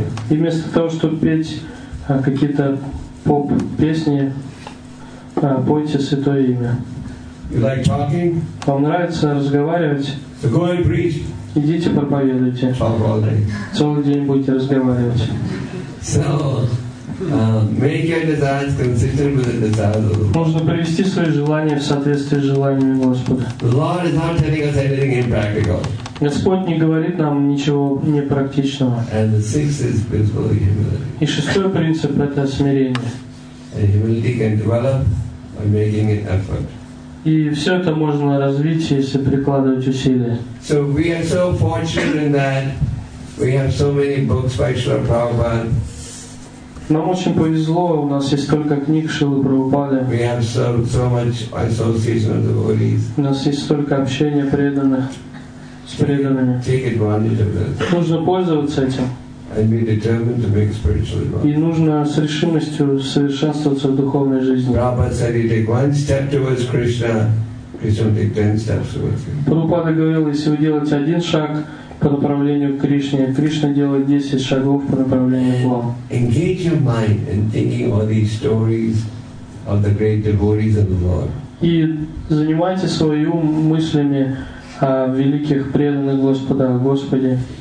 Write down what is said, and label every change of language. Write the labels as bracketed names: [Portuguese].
[Russian] И вместо того, чтобы петь какие-то поп-песни, пойте святое имя. Вам нравится разговаривать? Идите проповедуйте. Целый день будете разговаривать. [English] Make your desires consistent with the desires of the Lord. [Russian] Нужно привести свои желания в соответствии с желаниями Господа. [English] The Lord is not telling us anything impractical. [Russian] Господь не говорит нам ничего непрактичного. [English] And the sixth is principle of humility. [Russian] И шестой принцип – это смирение. [English] And humility can develop by making an effort. [Russian] И все это можно развить, если прикладывать усилия. [English] So we are so fortunate in that we have so many books by Srila Prabhupada. [Russian] Нам очень повезло, у нас есть столько книг Шрилы Прабхупады. [English] We have so much association of devotees. [Russian] У нас есть столько общения преданных с преданными. [English] Take advantage of that. [Russian] Нужно пользоваться этим. [English] And be determined to make spiritual advance. [Russian] И нужно с решимостью совершенствоваться в духовной жизни. [English] Prabhupada said, you take one step towards Krishna, Krishna will take 10 steps towards you. [Russian] Прабхупада говорил, если вы делаете один шаг по направлению к Кришне, Кришна делает 10 шагов по направлению к вам. [English] Engage your mind in thinking of these stories of the great devotees of the Lord. [Russian] И занимайте свой ум мыслями о великих преданных Господа, Господи.